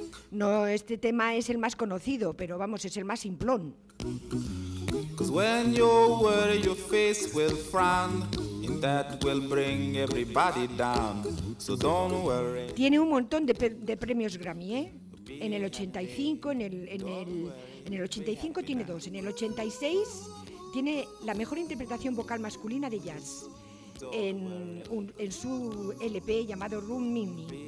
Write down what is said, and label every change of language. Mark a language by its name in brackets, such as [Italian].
[Spanish] No, este tema es el más conocido, pero vamos, es el más simplón. [English] Cause when you worry, your face will frown. That will bring everybody down, so don't worry. [Spanish] Tiene un montón de premios Grammy, ¿eh? En el 85, en el 85 tiene 2. En el 86 tiene la mejor interpretación vocal masculina de jazz en su LP llamado Room Mini.